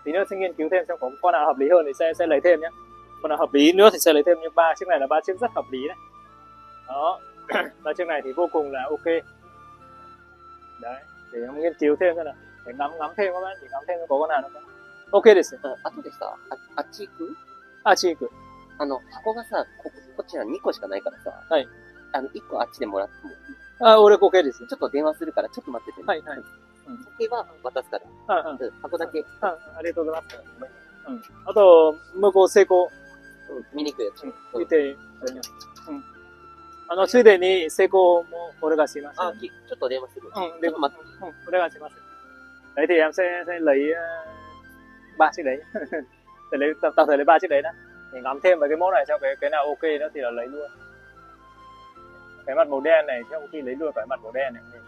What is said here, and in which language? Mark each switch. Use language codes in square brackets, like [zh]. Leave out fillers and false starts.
[vi] Tí nữa sẽ nghiên cứu thêm xem có con nào hợp lý hơn thì sẽ lấy thêm nhá. Con nào hợp lý nữa thì sẽ lấy thêm, nhưng ba chiếc này là ba chiếc rất hợp lý đấy. Đó, ba chiếc này thì vô cùng là ok. Đấy, để em nghiên cứu thêm xem nào, để ngắm thêm các bạn, để ngắm thêm có con nào không. [ja] OK です。うん、あとでさ、あっち行く？あっち行く。あの箱がさ、こちら2個しかないからさ。はい。あの1個あっちでもらっても。あ、俺 OK です。ちょっと電話するからちょっと待ってて、ね。はいはい。うん。OK は渡すから。うんうん。箱だけ。うん、ありがとうございます。うん。あと向こう成功。うん、見に行くやつ。見て。うん。あのついでに成功もお願いします。あ、ちょっと電話する。うん、電話待って。うん、お願いします。大体 [vi] em sẽ lấy ba chiếc đấy. Để lấy tạm thời lấy ba chiếc đấy đã. Để ngắm thêm vào cái mẫu này cho cái nào ok nữa thì là lấy luôn. Cái mặt màu đen này chắc cũng khi lấy luôn cái mặt màu đen này.